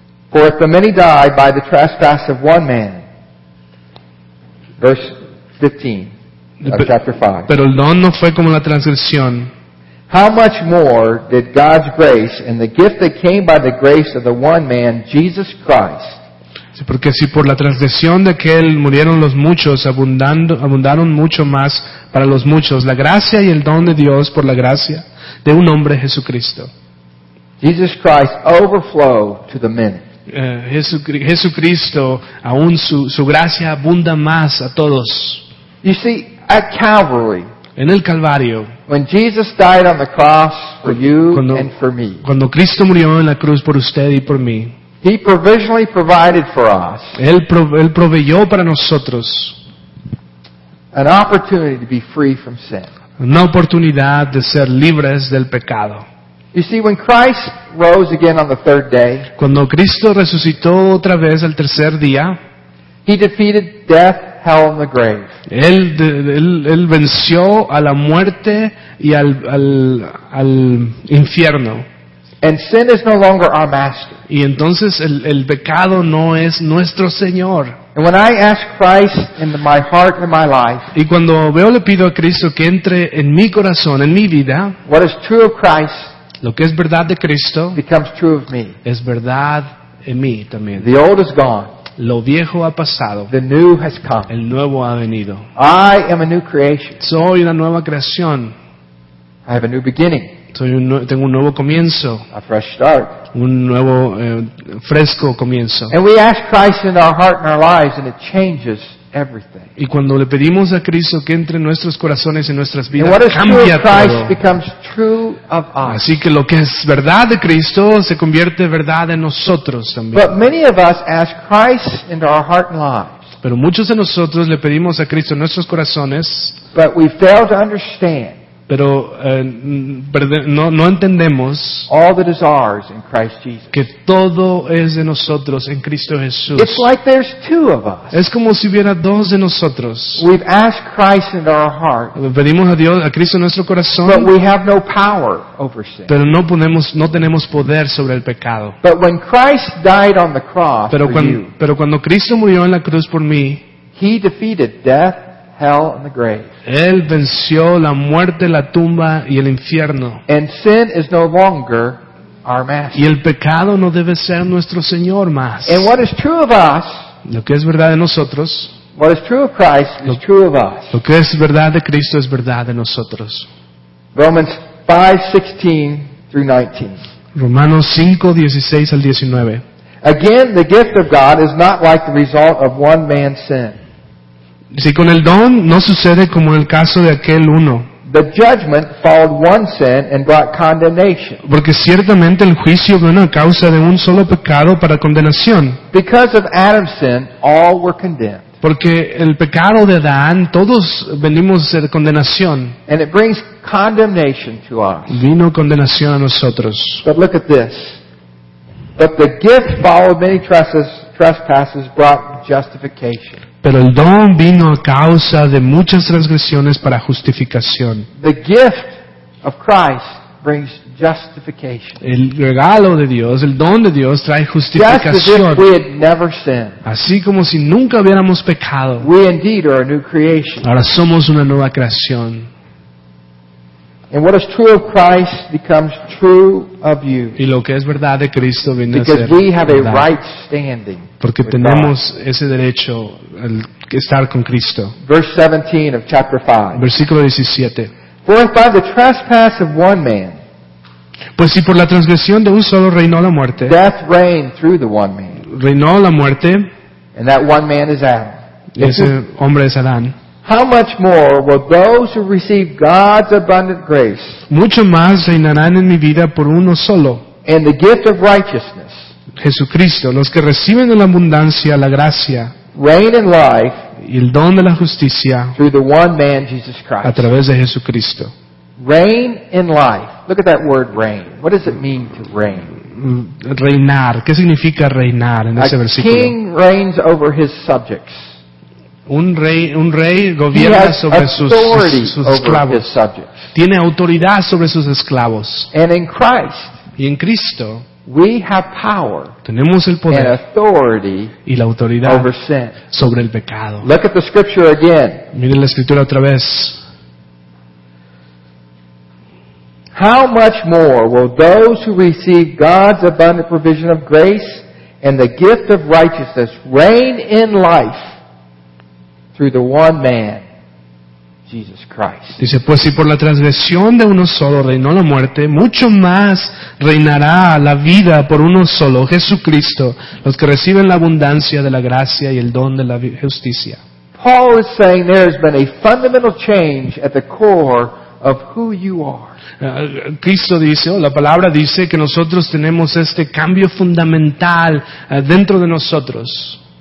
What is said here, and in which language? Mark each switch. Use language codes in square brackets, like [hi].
[en] For if the many died by the trespass of one man. Verse 15 of chapter 5. [es] Pero el don no fue como la transgresión. [en] How much more did God's grace and the gift that came by the grace of the one man, Jesus Christ? [es] Sí, porque si por la transgresión de aquel murieron los muchos, abundaron mucho más para los muchos. La gracia y el don de Dios por la gracia de un hombre, Jesucristo. [en] Jesus Christ overflow to the many. [es] Jesucristo, aún su gracia abunda más a todos. [en] You see, at Calvary. [es] En el Calvario. [en] When Jesus died on the cross for you and for me. [es] Cuando Cristo murió en la cruz por usted y por mí. [en] He provisionally provided for us. [es] Él proveyó para nosotros. [en] An opportunity to be free from sin. [es] Una oportunidad de ser libres del pecado. [en] You see, when Christ rose again on the third day. [es] Cuando Cristo resucitó otra vez al tercer día. [en] He defeated death. Hell and the grave. [es] Él venció a la muerte y al infierno. [en] And sin is no longer our master. [es] Y entonces el pecado no es nuestro señor. [en] And when I ask Christ into my heart and my life. [es] Y cuando veo le pido a Cristo que entre en mi corazón, en mi vida. [en] What is true of Christ? [es] Lo que es verdad de Cristo. [en] Becomes true of me. [es] Es verdad en mí también. [en] The old is gone. [es] Lo viejo ha pasado. [en] The new has come. [es] El nuevo ha venido. [en] I am a new creation. [es] Soy una nueva creación. [en] I have a new beginning. [es] Tengo un nuevo comienzo. [en] A fresh start. [es] Un nuevo fresco comienzo. [en] And we ask Christ into our heart and our lives, and it changes everything. [es] Y cuando le pedimos a Cristo que entre en nuestros corazones y nuestras vidas, cambia todo. [en] And what is true of Christ becomes true of us. [es] Así que lo que es verdad de Cristo se convierte verdad en nosotros también. [en] But many of us ask Christ into our heart and lives. [es] Pero muchos de nosotros le pedimos a Cristo en nuestros corazones. [en] But we fail to understand. [es] Pero no entendemos [en] all that is ours in Christ Jesus. [es] Que todo es de nosotros en Cristo Jesús. [en] It's like there's two of us. [es] Es como si hubiera dos de nosotros. [en] We've asked Christ into our heart. [es] Pedimos a Dios, a Cristo en nuestro corazón. [en] But we have no power over sin. [es] Pero no tenemos poder sobre el pecado. [en] But when Christ died on the cross [es] pero cuando Cristo murió en la cruz por mí, [en] He defeated death. Hell and the grave. [es] Él venció la muerte, la tumba y el infierno. [en] And sin is no longer our master. [es] Y el pecado no debe ser nuestro señor más. [en] And what is true of us? [es] Lo que es verdad de nosotros. [en] What is true of Christ is true of us. [es] Lo que es verdad de Cristo es verdad de nosotros. [en] Romans 5:16-19. [es] Romanos 5:16-19. [en] Again, the gift of God is not like the result of one man's sin. [es] Si con el don no sucede como en el caso de aquel uno. [en] The judgment followed one sin and brought condemnation. [es] Porque ciertamente el juicio vino a causa de un solo pecado para condenación. [en] Because of Adam's sin, all were condemned. [es] Porque el pecado de Adán, todos venimos de condenación. [en] And it brings condemnation to us. [es] Vino condenación a nosotros. [en] But look at this. But the gift followed many trespasses brought justification. [es] Pero el don vino a causa de muchas transgresiones para justificación. [en] The gift of Christ brings justification. [es] El regalo de Dios, el don de Dios trae justificación. [en] Just as if we had never sinned. [es] Así como si nunca hubiéramos pecado. [en] We indeed are a new creation. [es] Ahora somos una nueva creación. [en] And what is true of Christ becomes true of you. [es] Y lo que es verdad de Cristo viene [en] because [es] a ser [en] we have [es] verdad. [en] A right standing. [es] Porque tenemos [en] God. [es] Ese derecho al estar con Cristo. [en] Verse 17 of chapter 5. [es] Versículo 17. [en] For if by the trespass of one man. [es] Pues si por la transgresión de un solo reinó la muerte. [en] Death reigned through the one man. [es] Reinó la muerte. [en] And that one man is Adam. [es] Y ese hombre es Adán. [en] How much more will those who receive God's abundant grace? [es] Mucho más reinarán en mi vida por uno solo. [en] And the gift of righteousness. [es] Jesucristo, los que reciben en la abundancia la gracia. [en] Reign in life. [es] Y el don de la justicia. [en] Through the one man, Jesus Christ. [es] A través de Jesucristo. [en] Reign in life. Look at that word reign. What does it mean to reign? [es] Reinar. ¿Qué significa reinar en ese versículo? [en] A king reigns over his subjects. [es] Un rey gobierna sobre sus esclavos. Tiene autoridad sobre sus esclavos. [en] And in Christ, [es] y en Cristo, [en] we have power [es] tenemos el poder [en] and authority [es] y la autoridad [en] over sin. [es] Sobre el pecado. [en] Look at the scripture again. [es] Miren la escritura otra vez. [en] How much more will those who receive God's abundant provision of grace and the gift of righteousness reign in life? Through the one man, Jesus Christ. [es] Dice, pues si por la transgresión de uno solo reinó la muerte, mucho más reinará la vida por uno solo, Jesucristo, los que reciben la abundancia de la gracia y el don de la justicia. [en] Paul is saying there has been a fundamental change at the core of who you are. [es] Cristo dice, la palabra dice que nosotros tenemos este cambio fundamental dentro de nosotros.